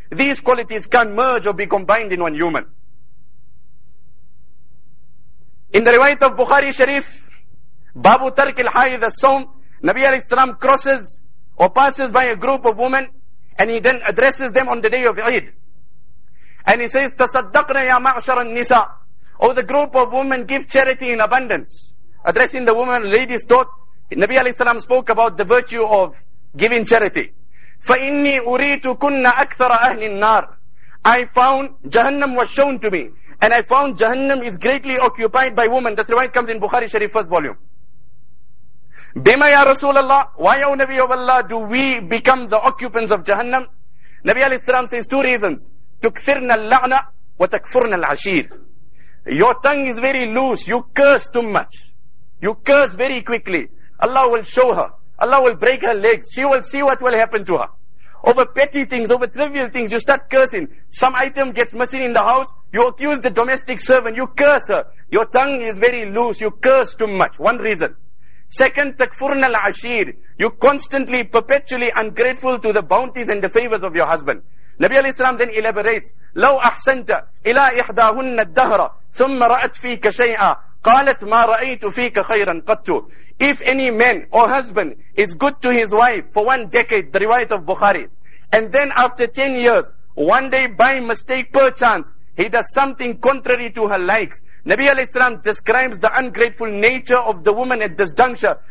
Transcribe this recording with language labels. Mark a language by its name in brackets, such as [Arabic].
[English] These qualities can't merge or be combined in one human. In the riwayat of Bukhari Sharif, Babu Tarkil Hayid As-Sawm, Nabi alayhi salam crosses or passes by a group of women, and he then addresses them on the day of Eid. And he says, [Arabic] تَصَدَّقْنَا يَا مَعْشَرَ النِّسَى. [English] Oh, the group of women, give charity in abundance. Addressing the women, ladies thought, Nabi alayhi salam spoke about the virtue of giving charity. [Arabic] فإني أريت كن أكثر أهل النار. [English] I found Jahannam was shown to me, and I found Jahannam is greatly occupied by women. That's why it comes in Bukhari Sharif first volume. Bima ya Rasulullah, why O Nabi of Allah do we become the occupants of Jahannam? Nabi alayhi salam says two reasons: [Arabic] tukthirna al-la'na wa takfurna al-ashir. [English] Your tongue is very loose, you curse too much, you curse very quickly. Allah will show her, Allah will break her legs, she will see what will happen to her. Over petty things, over trivial things, you start cursing. Some item gets missing in the house, you accuse the domestic servant, you curse her. Your tongue is very loose, you curse too much. One reason. Second, [Arabic] takfurna al-ashir. [English] You constantly, perpetually ungrateful to the bounties and the favors of your husband. Nabi alayhi salam then elaborates, [Arabic] لو أحسنت إلى إحداهن الدهر ثم رأت فيك شيئا قالت ما رأيت فيك خيرا قط. [English] If any man or husband is good to his wife for one decade, the riwayat of Bukhari, and then after 10 years, one day by mistake, perchance, he does something contrary to her likes. Nabi alayhi salam describes the ungrateful nature of the woman at this juncture.